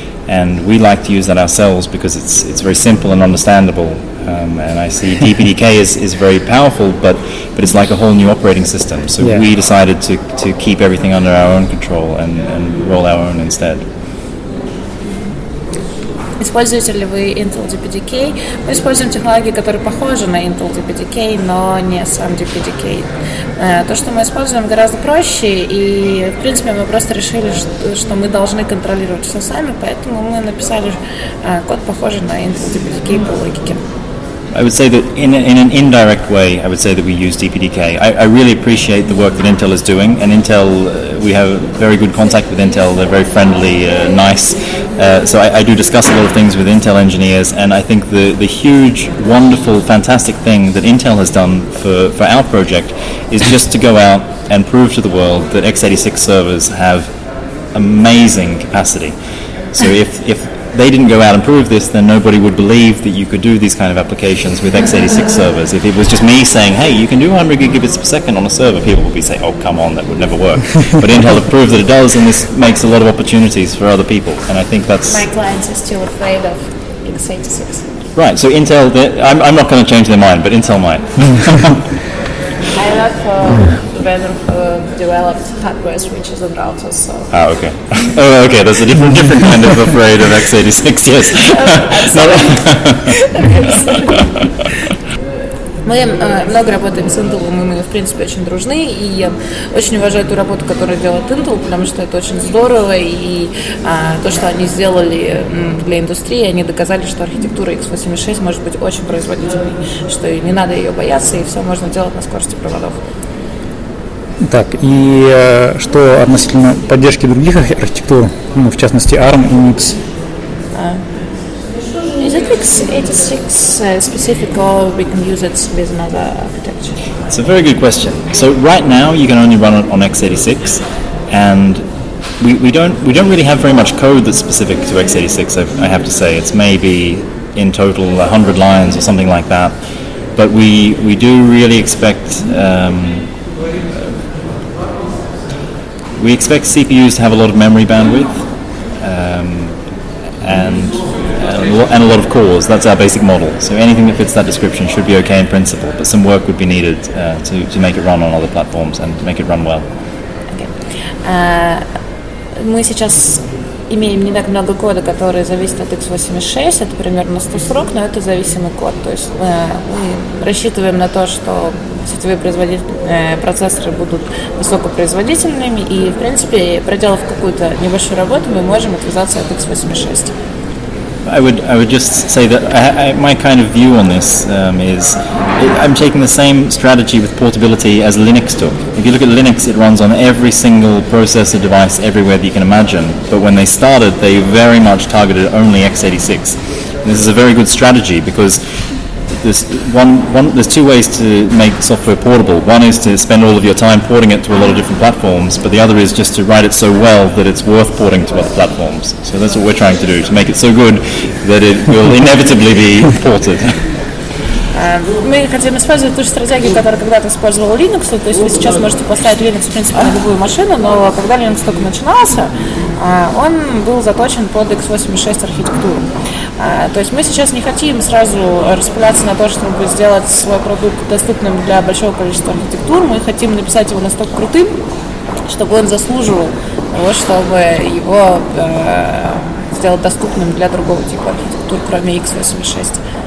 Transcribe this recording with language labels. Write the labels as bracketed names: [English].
[English] and we like to use that ourselves because it's very simple and understandable. And I see DBDK is very powerful, but it's like a whole new operating system. So yeah. We decided to keep everything under our own control and roll our own instead. [Russian] Используете ли вы Intel DBDK? Мы используем технологии, которые похожи на Intel DBDK, но не сам DBDK. То, что мы используем, гораздо проще, и, в принципе, мы просто решили, что мы должны контролировать все сами, поэтому мы написали код, похожий на Intel DBDK по логике. [English] I would say that in an indirect way, I would say that we use DBDK. I really appreciate the work that Intel is doing, and Intel, we have very good contact with Intel. They're very friendly, nice. So I do discuss a lot of things with Intel engineers, and I think the huge, wonderful, fantastic thing that Intel has done for our project is just to go out and prove to the world that x86 servers have amazing capacity. So if they didn't go out and prove this, then nobody would believe that you could do these kind of applications with x86 servers. If it was just me saying, hey, you can do 100 gigabits per second on a server, people would be saying, oh, come on, that would never work. But Intel have proved that it does, and this makes a lot of opportunities for other people. And I think that's... My clients are still afraid of x86. Right, so Intel, I'm not going to change their mind, but Intel might. I work for a vendor who developed hardware switches and routers, so... Ah, okay. Oh, okay, that's a different kind of afraid of x86, yes. [Russian] Мы много работаем с Intel, и мы, в принципе, очень дружны, и очень уважаю ту работу, которую делает Intel, потому что это очень здорово, и то, что они сделали для индустрии, они доказали, что архитектура x86 может быть очень производительной, что не надо ее бояться, и все можно делать на скорости проводов. Так, и что относительно поддержки других архитектур, ну, в частности, ARM и MIPS? [English] x86 specific or we can use it with another architecture? It's a very good question. So right now you can only run it on x86, and we don't really have very much code that's specific to x86, I have to say. It's maybe in total 100 lines or something like that. But we do really expect... we expect CPUs to have a lot of memory bandwidth, and a lot of cores. That's our basic model. So anything that fits that description should be okay in principle, but some work would be needed to make it run on other platforms and to make it run well. Okay. [Russian] Мы сейчас имеем не так много кода, который зависит от x86, это примерно 140, но это зависимый код. То есть мы рассчитываем на то, что сетевые процессоры будут высокопроизводительными, и, в принципе, проделав какую-то небольшую работу, мы можем отвязаться от x86. [English] I would just say that my kind of view on this I'm taking the same strategy with portability as Linux took. If you look at Linux, it runs on every single processor device everywhere that you can imagine. But when they started, they very much targeted only x86. And this is a very good strategy because there's two ways to make software portable. One is to spend all of your time porting it to a lot of different platforms, but the other is just to write it so well that it's worth porting to other platforms. So that's what we're trying to do, to make it so good that it will inevitably be ported. [Russian] Мы хотим использовать ту же стратегию, которую когда-то использовал Linux, то есть вы сейчас можете поставить Linux, в принципе, на любую машину, но когда Linux только начинался, он был заточен под x86 архитектуру. То есть мы сейчас не хотим сразу распыляться на то, чтобы сделать свой продукт доступным для большого количества архитектур, мы хотим написать его настолько крутым, чтобы он заслуживал того, чтобы его сделать доступным для другого типа архитектур, кроме x86.